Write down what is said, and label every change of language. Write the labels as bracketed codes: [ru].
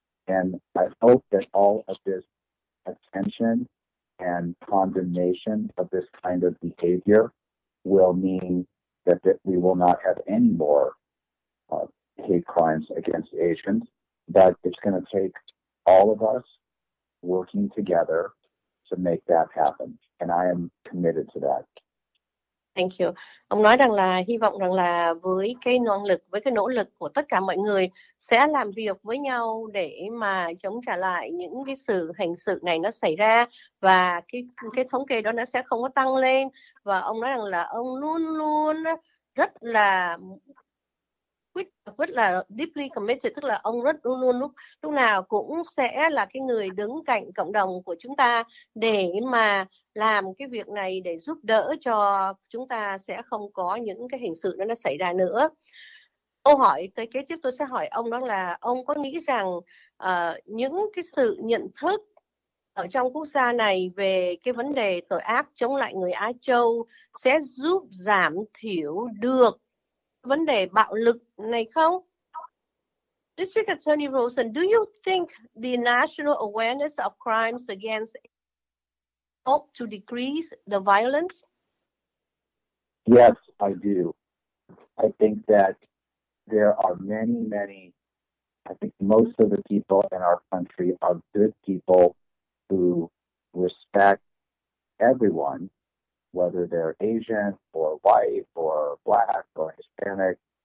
[en] And I hope that all of this attention and condemnation of this kind of behavior will mean that we will not have any more hate crimes against Asians. But it's going to take all of us working together to make that happen, and I am committed to that. Thank you. [vi] Ông nói rằng là hy vọng rằng là với cái năng lực, với cái nỗ lực của tất cả mọi người sẽ làm việc với nhau để mà chống trả lại những cái sự hành sự này nó xảy ra và cái thống kê đó nó sẽ không có tăng lên. Và ông nói rằng là ông luôn luôn rất là quyết là [en] deeply committed, [vi] tức là ông rất luôn luôn lúc nào cũng sẽ là cái người đứng cạnh cộng đồng của chúng ta để mà làm cái việc này để giúp đỡ cho chúng ta sẽ không có những cái hình sự đó nó xảy ra nữa. Câu hỏi tới kế tiếp tôi sẽ hỏi ông đó là ông có nghĩ rằng những cái sự nhận thức ở trong quốc gia này về cái vấn đề tội ác chống lại người Á Châu sẽ giúp giảm thiểu được vấn đề bạo lực này không? [en] District Attorney Rosen, do you think the national awareness of crimes against help to decrease the violence? Yes, I do. I think that there are many, many, I think most of the people in our country are good people who respect everyone, whether they're Asian or white or Black or Hispanic.